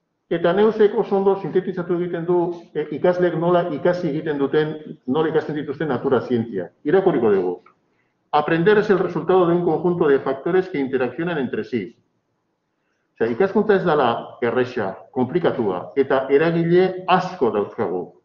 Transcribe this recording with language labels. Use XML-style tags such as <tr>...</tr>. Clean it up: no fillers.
<eu>Eta Neusek oso ondo sintetizatu egiten du ikaslek nola ikasi egiten duten, nola ikasten dituzten natura zientzia. Irakuriko dugu.</eu> <es>Aprender es el resultado de un conjunto de factores que interaccionan entre sí.</es> <eu>Osea, ikaskuntza ez dala erresa, komplikatua, eta eragile asko dauzkagu.</eu>